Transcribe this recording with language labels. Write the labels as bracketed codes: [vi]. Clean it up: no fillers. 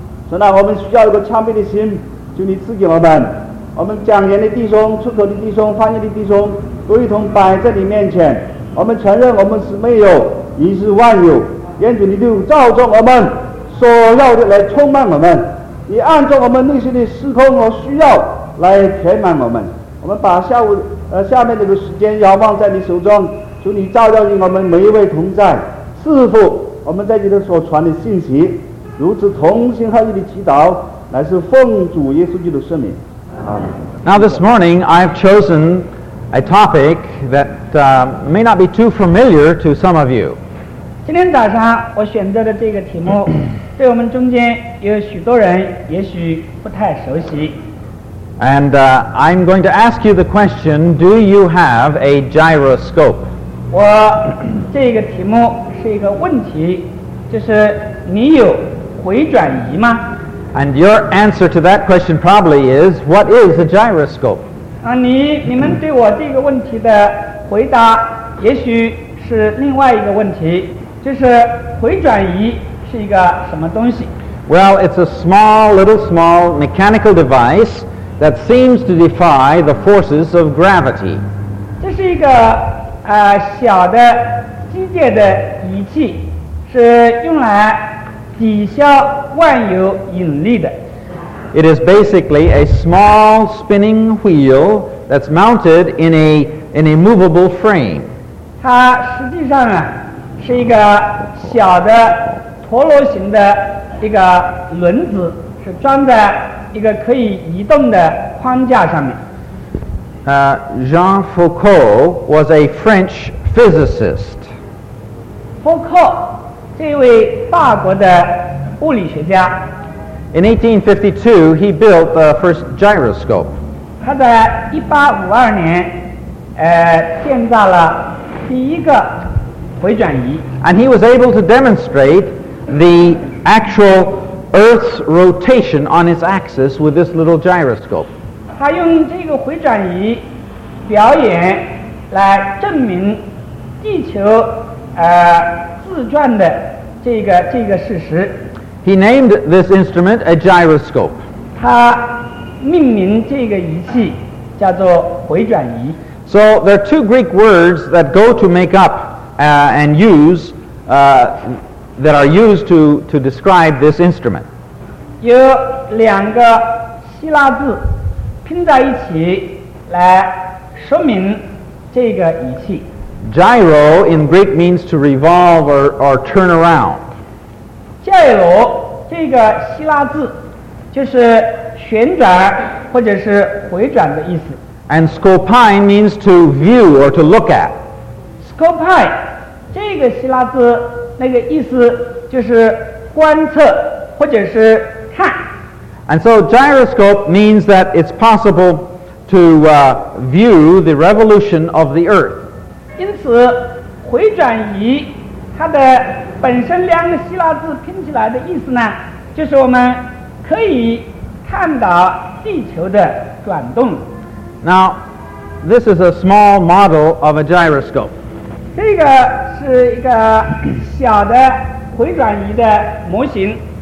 [zh] 神啊，我们需要一个谦卑的心，求你赐给我们，我们讲言的弟兄、出口的弟兄、翻译的弟兄都一同摆在你面前，我们承认我们是没有，你是万有，愿主你就照着我们所要的来充满我们，你按照我们内心的时空和需要来填满我们。我们把下面这个时间遥望在你手中，求你照耀于我们每一位同在，赐福我们在这里所传的信息，如此同心合意的祈祷，乃是奉主耶稣基督的圣名。 [en] Now this morning I've chosen a topic that may not be too familiar to some of you. [zh] 今天早上我选择的这个题目，对我们中间有许多人也许不太熟悉。 [en] And I'm going to ask you the question, do you have a gyroscope? [zh] 我这个题目是一个问题，就是你有回转仪吗？ [en] And your answer to that question probably is, what is a gyroscope? [zh] 你们对我这个问题的回答也许是另外一个问题，就是回转仪是一个什么东西？ [en] Well, it's a small mechanical deviceThat seems to defy the forces of gravity. [zh] 这是一个小的机械的仪器，是用来抵消万有引力的。 [en] It is basically a small spinning wheel that's mounted in a movable frame. [zh] 它实际上啊是一个小的陀螺形的一个轮子，是装在一个可以移动的框架上面。 [en] Jean Foucault was a French physicist. [zh] Foucault 这位法国的物理学家。 [en] In 1852, he built the first gyroscope. [zh] 他在1852年，建造了第一个回转仪。 [en] And he was able to demonstrate the actual Earth's rotation on its axis with this little gyroscope. [zh] 他用这个回转仪表演来证明地球自转的这个事实。 [en] He named this instrument a gyroscope. [zh] 他命名这个仪器叫做回转仪。 [en] So there are two Greek words that go to make up and use that are used to describe this instrument. [zh] 有两个希腊字拼在一起来说明这个仪器。 [en] Gyro in Greek means to revolve or turn around. [zh] Gyro 这个希腊字就是旋转或者是回转的意思。 [en] And scopine means to view or to look at. [zh] Scopine 这个希腊字那个意思就是观测或者是看。 [en] And so gyroscope means that it's possible to view the revolution of the earth. [zh] 因此回转仪它的本身两个希腊字拼起来的意思呢就是我们可以看到地球的转动。 [en] Now, this is a small model of a gyroscope. [zh] 这个是一个小的回转仪的模型。